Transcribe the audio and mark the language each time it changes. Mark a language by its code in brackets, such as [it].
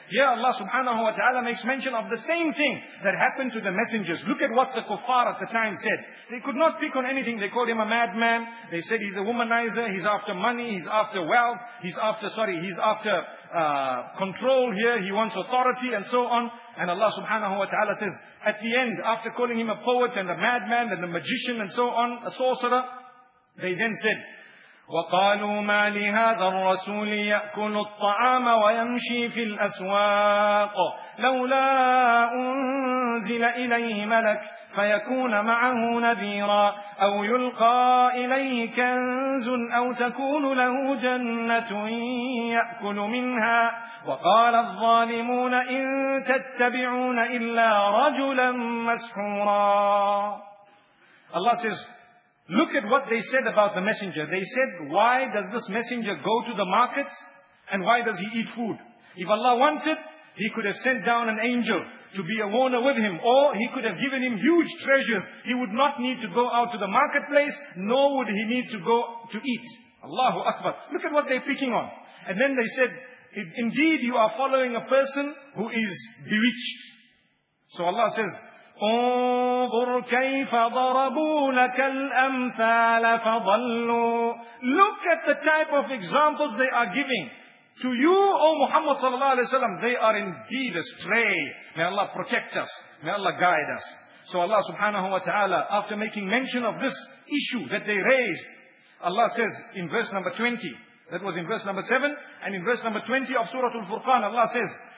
[en] Here Allah subhanahu wa ta'ala makes mention of the same thing that happened to the messengers. Look at what the kuffar at the time said. They could not pick on anything. They called him a madman. They said he's a womanizer. He's after money. He's after wealth. He's after control here, he wants authority and so on. And Allah subhanahu wa ta'ala says, at the end, after calling him a poet and a madman and a magician and so on, a sorcerer, they then said, [ar] وَقَالُوا مَا لِهَذَا الرَّسُولِ يَأْكُلُ الطَّعَامَ وَيَمْشِي فِي الْأَسْوَاقِ لَوْلَا أُنزِلَ إِلَيْهِ مَلَكٌ فَيَكُونَ مَعَهُ نَذِيرًا أَوْ يُلْقَى إِلَيْهِ كَنْزٌ أَوْ تَكُونُ لَهُ جَنَّةٌ يَأْكُلُ مِنْهَا وَقَالَ الظَّالِمُونَ إِن تَتَّبِعُونَ إِلَّا رَجُلًا مَسْحُورًا. [en] Allah says, look at what they said about the messenger. They said, why does this messenger go to the markets and why does he eat food? If Allah wanted, He could have sent down an angel to be a warner with him, or He could have given him huge treasures. He would not need to go out to the marketplace, nor would he need to go to eat. Allahu Akbar. Look at what they're picking on. And then they said, indeed you are following a person who is bewitched. So Allah says, [ar] انظر كيف ضربوا لك الأمثال فضلوا. [en] Look at the type of examples they are giving. To you, O Muhammad sallallahu alayhi wa sallam, they are indeed astray. May Allah protect us. May Allah guide us. So Allah subhanahu wa ta'ala, after making mention of this issue that they raised, Allah says in verse number 20, that was in verse number 7, and in verse number 20 of Surah Al-Furqan, Allah says,